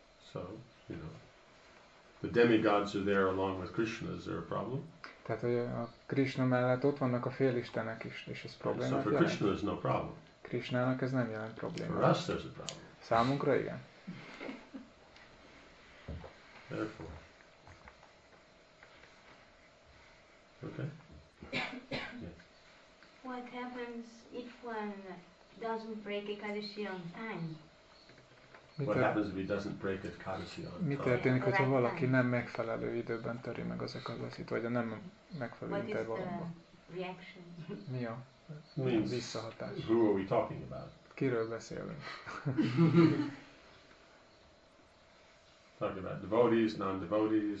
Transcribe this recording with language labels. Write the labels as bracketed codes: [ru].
[en] So, you know, the demigods are there along with Krishna. Is there a problem? [hu] Tehát, hogy a Krishna mellett ott vannak a félistenek is, és ez probléma. [en] So for Krishna there's no problem. [hu] Krishnának ez nem jelent problémát. [en] For us there's a problem. [hu] Számunkra igen. [en] Therefore. Okay. Yeah. What happens if one doesn't break Ekadasi on time? What happens if he doesn't break Ekadasi on time? [hu] Mi történik, hogyha valaki nem megfelelő időben töri meg az Ekadasit, vagy a nem megfelelő intervallumban? Mi a visszahatás? [en] Who are we talking about? [hu] Kiről beszélünk? [en] Talk about devotees, non-devotees.